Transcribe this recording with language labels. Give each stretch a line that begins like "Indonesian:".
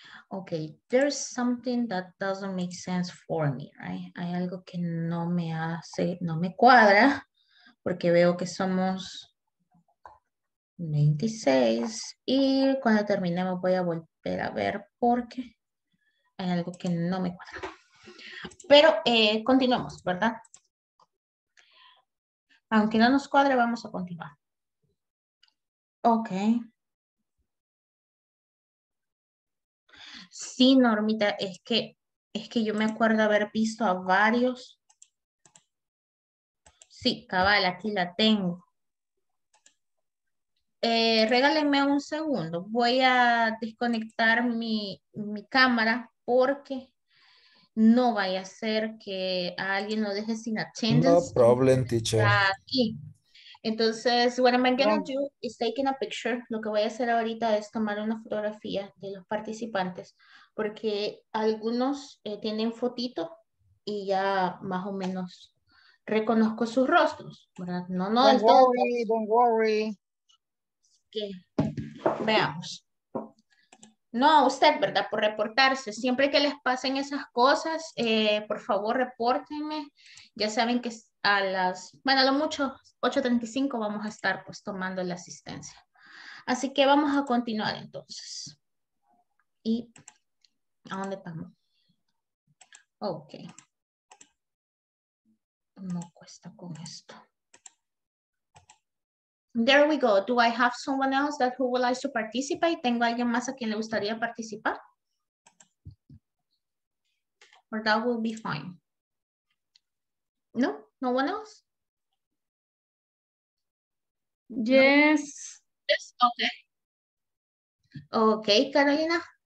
English: Okay, there's something that doesn't make sense for me, right?
Spanish: Hay algo que no me hace, no me cuadra, porque veo que somos 26. Y cuando terminemos voy a volver a ver porque hay algo que no me cuadra. Pero continuamos, ¿verdad? Aunque no nos cuadre, vamos a continuar. Ok. Sí, Normita, es que yo me acuerdo haber visto a varios. Sí, cabal, aquí la tengo. Regálenme un segundo. Voy a desconectar mi cámara porque no vaya a ser que a alguien lo deje sin attendance.
English: No problem, teacher.
Spanish: Aquí. Entonces,
English: what I'm gonna do is taking a picture.
Spanish: Lo que voy a hacer ahorita es tomar una fotografía de los participantes, porque algunos tienen fotito y ya más o menos reconozco sus rostros, ¿verdad? No del todo.
English: Don't worry.
Spanish: ¿Qué? Veamos. No, usted, ¿verdad? Por reportarse. Siempre que les pasen esas cosas, por favor, repórtenme. Ya saben que a las, bueno, a lo mucho, 8:35 vamos a estar pues tomando la asistencia. Así que vamos a continuar entonces. ¿Y a dónde estamos? Ok. No cuesta con esto.
English: There we go. Do I have someone else that who would like to participate?
Spanish: ¿Tengo alguien más a quien le gustaría participar?
English: Or that will be fine. No? No one else? Yes. No. Yes, okay. Okay, Carolina.